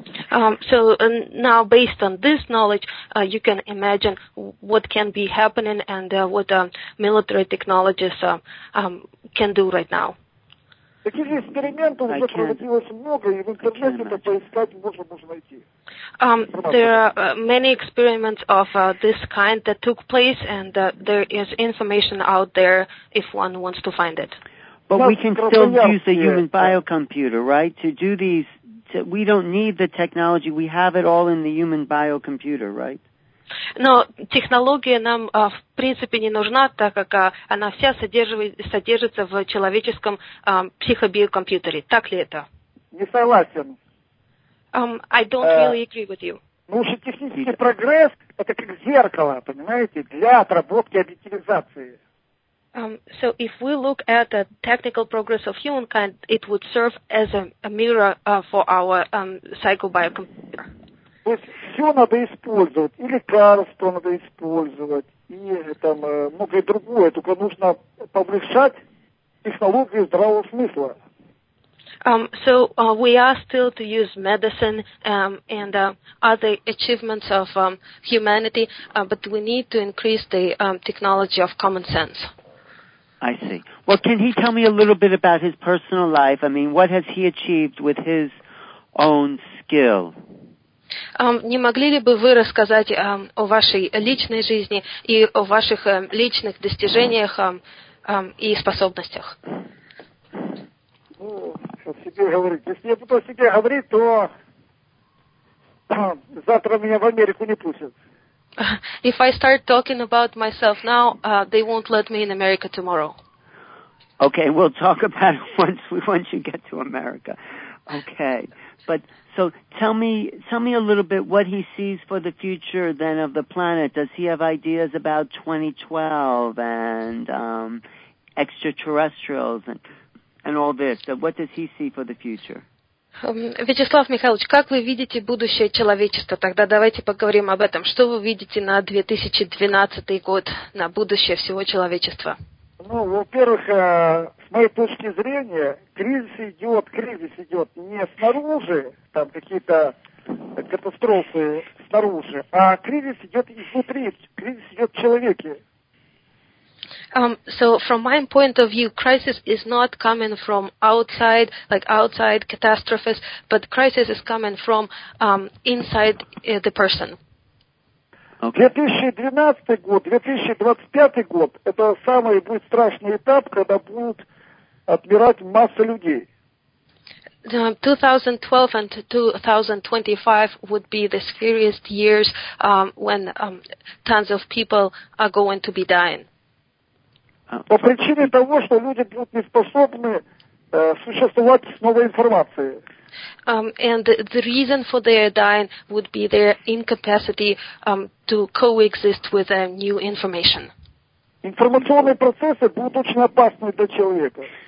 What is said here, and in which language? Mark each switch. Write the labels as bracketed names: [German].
[English] Now based on this knowledge, you can imagine what can be happening and what military technologies can do right now. [Russian] Таких экспериментов уже проводилось много, и в интернете это поискать можно найти. [English] There are many experiments of this kind that took place, and there is information out there if one wants to find it. But we can still use a human biocomputer, right, to do these. We don't need the technology. We have it all in the human biocomputer, right? [Russian] Но технология нам в принципе не нужна, так как она вся содержится в человеческом психобиокомпьютере. Так ли это? Не согласен. [English] I don't really agree with you. [Russian] Ну, уже технический прогресс – это как зеркало, понимаете, для отработки объективизации. [English] So if we look at the technical progress of humankind, it would serve as a mirror for our psychobiocomputer. [Russian] То есть все надо использовать, и лекарство надо использовать, и там многое другое, только нужно повышать технологии здравого смысла. [English] We are still to use medicine and other achievements of humanity, but we need to increase the technology of common sense. I see. Well, can he tell me a little bit about his personal life? I mean, what has he achieved with his own skill? [Russian] Не могли ли бы вы рассказать о вашей личной жизни и о ваших личных достижениях и способностях? Ну, сейчас себе говорить. Если я буду себе говорить, то завтра меня в Америку не пустят. [English] If I start talking about myself now, they won't let me in America tomorrow. Okay, we'll talk about it once you get to America. Okay, but so tell me a little bit what he sees for the future then of the planet. Does he have ideas about 2012 and extraterrestrials and all this? So what does he see for the future? [Russian] Вячеслав Михайлович, как вы видите будущее человечества? Тогда давайте поговорим об этом. Что вы видите на 2012 год, на будущее всего человечества? Ну, во-первых, с моей точки зрения, кризис идет не снаружи, там какие-то катастрофы снаружи, а кризис идет изнутри, кризис идет в человеке. [English] So from my point of view, crisis is not coming from outside, like outside catastrophes, but crisis is coming from inside the person. Okay. [Russian] 2012 год, 2025 год – это самый будет страшный этап, когда будут отмирать масса людей. [English] 2012 and 2025 would be the scariest years when tons of people are going to be dying. [Russian] По причине того, что люди будут не способны существовать с новой информацией. [English] And the reason for their dying would be their incapacity to coexist with new information. [Russian] Информационные процессы будут очень опасны для человека.